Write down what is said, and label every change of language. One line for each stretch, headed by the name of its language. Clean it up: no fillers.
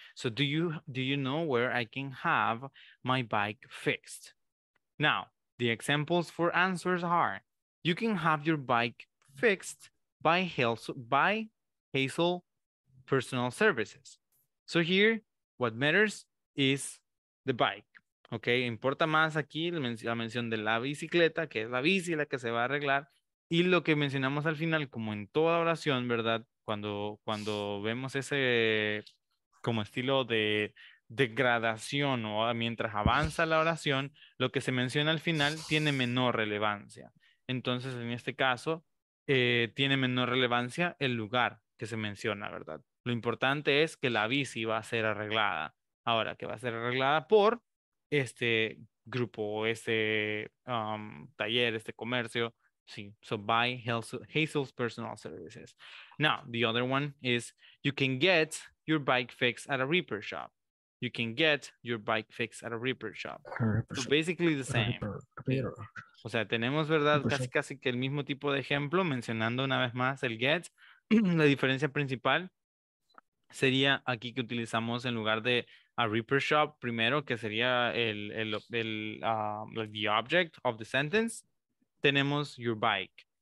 English: So do you know where I can have my bike fixed? Now, the examples for answers are, you can have your bike fixed by Hazel Personal Services. So here, what matters is the bike.
Spanish: Okay, importa más aquí la mención de la bicicleta, que es la bici la que se va a arreglar. Y lo que mencionamos al final, como en toda oración, ¿verdad? Cuando vemos ese como estilo de degradación, o mientras avanza la oración, lo que se menciona al final tiene menor relevancia. Entonces, en este caso, tiene menor relevancia el lugar que se menciona, ¿verdad? Lo importante es que la bici va a ser arreglada. Ahora, que va a ser arreglada por este grupo, este taller, este comercio.
English: Sí, so by Hazel's Personal Services. Now, the other one is, you can get your bike fixed at a repair shop. You can get your bike fixed at a repair shop. So basically the same.
Spanish: O sea, tenemos, ¿verdad? Casi que el mismo tipo de ejemplo, mencionando una vez más el get. La diferencia principal sería aquí que utilizamos en lugar de
English: a repair shop
Spanish: primero, que sería
English: the object of the sentence,
Spanish: tenemos your bike.